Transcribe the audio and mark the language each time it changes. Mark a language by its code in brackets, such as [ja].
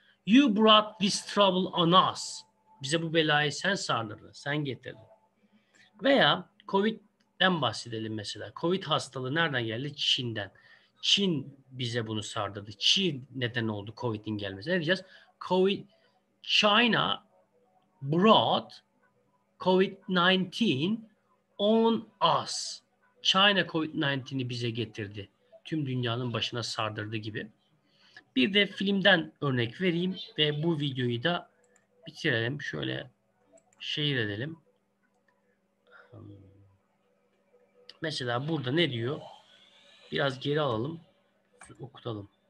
[en] You brought this trouble on us. [tr] Bize bu belayı sen sardırdın, sen getirdin. Veya Covid'den bahsedelim mesela. Covid hastalığı nereden geldi? Çin'den. Çin bize bunu sardırdı. Çin neden oldu Covid'in gelmesi? Ne diyeceğiz? [en] Covid, China brought Covid-19 on us. [tr] China Covid-19'i bize getirdi. Tüm dünyanın başına sardırdı gibi. Bir de filmden örnek vereyim ve bu videoyu da bitirelim. Şöyle şehir edelim. Mesela burada ne diyor? Biraz geri alalım, okutalım.